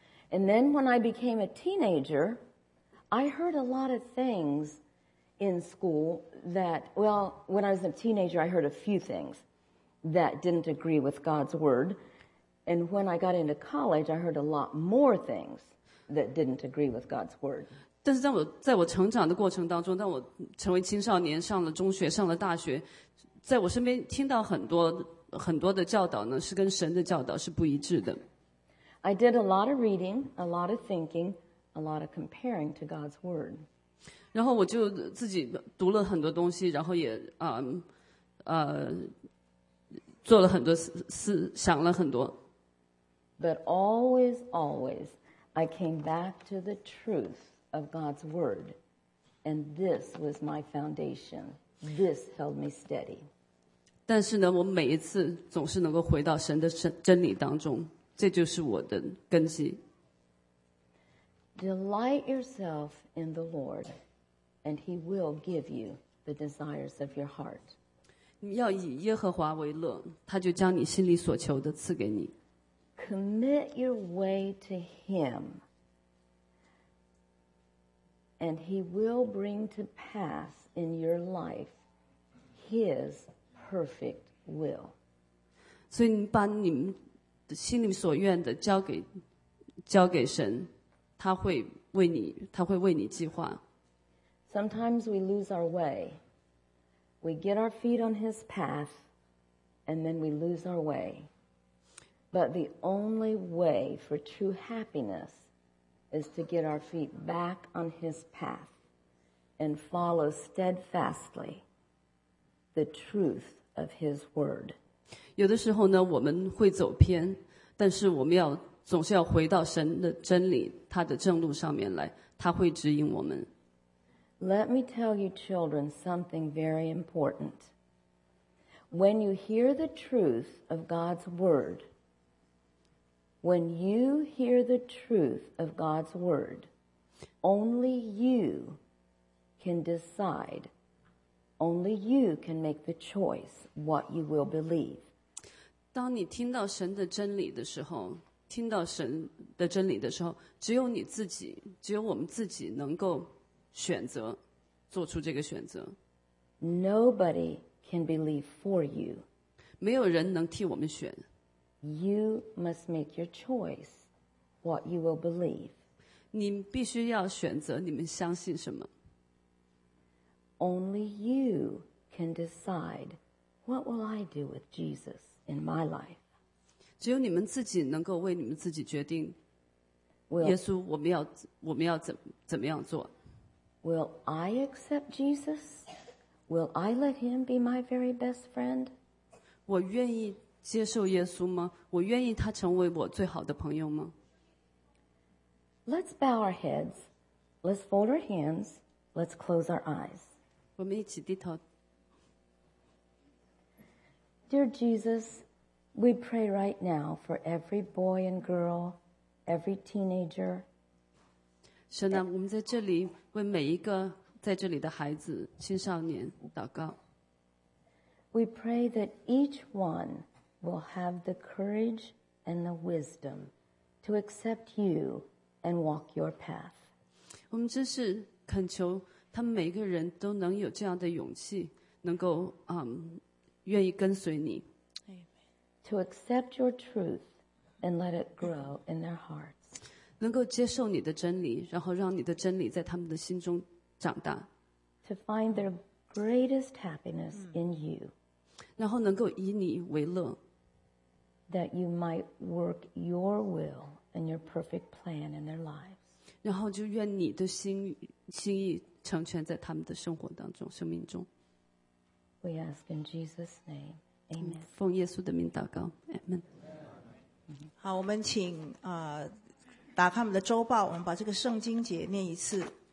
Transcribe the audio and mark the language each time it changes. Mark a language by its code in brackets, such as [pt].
[en] And then when I became a teenager, I heard a lot of things in school when I was a teenager, I heard a few things that didn't agree with God's word. And when I got into college, I heard a lot more things that didn't agree with God's word. [zh] 但是在我成长的过程当中，当我成为青少年，上了中学，上了大学，在我身边听到很多很多的教导呢，是跟神的教导是不一致的。 [en] I did a lot of reading, a lot of thinking, a lot of comparing to God's word. [zh] 然后我就自己读了很多东西，然后也做了很多思想了很多。 [en] But always, I came back to the truth of God's word, and this was my foundation. This held me steady. [zh] 但是呢，我每一次总是能够回到神的真理当中。这就是我的根基。 [en] Delight yourself in the Lord, and He will give you the desires of your heart. [zh] 你要以耶和华为乐，他就将你心里所求的赐给你。 [en] Commit your way to Him, and He will bring to pass in your life His perfect will. [zh] 所以你把你们心里所愿的交给神，他会为你计划。 [en] Sometimes we lose our way. We get our feet on His path, and then we lose our way. But the only way for true happiness is to get our feet back on His path and follow steadfastly the truth of His word. [zh] 有的时候呢，我们会走偏。但是我们要总是要回到神的真理，他的正路上面来，他会指引我们。 [en] Let me tell you, children, something very important. When you hear the truth of God's word, when you hear the truth of God's word, only you can decide, only you can make the choice what you will believe. [zh] 当你听到神的真理的时候，听到神的真理的时候，只有你自己，只有我们自己能够选择，做出这个选择。 [en] Nobody can believe for you. [zh] 没有人能替我们选。 [en] You must make your choice what you will believe. [zh] 你必须要选择你们相信什么。 [en] Only you can decide what will I do with Jesus. In my life, [zh] 只有你们自己能够为你们自己决定。耶稣，我们要怎么样做 [en] ？Will I accept Jesus? Will I let Him be my very best friend? [zh] 我愿意接受耶稣吗？我愿意他成为我最好的朋友吗 [en] ？Let's bow our heads. Let's fold our hands. Let's close our eyes. [zh] 我们一起低头。 [en] Dear Jesus, we pray right now for every boy and girl, every teenager. [zh] 神啊，我们在这里为每一个在这里的孩子、青少年祷告。 [en] We pray that each one will have the courage and the wisdom to accept you and walk your path. [zh] 我们真是恳求他们每个人都能有这样的勇气，能够愿意跟随你。 [en] To accept your truth and let it grow in their hearts. [zh] 能够接受你的真理，然后让你的真理在他们的心中长大。 [en] To find their greatest happiness in you. [zh] 然后能够以你为乐。 [en] That you might work your will and your perfect plan in their lives. [zh] 然后就愿你的心意成全在他们的生活当中，生命中。 [en] We ask in Jesus' name. Amen. [zh] 奉耶稣的名祷告。Amen. 好，我们请打开我们的周报，我们把这个圣经节念一次。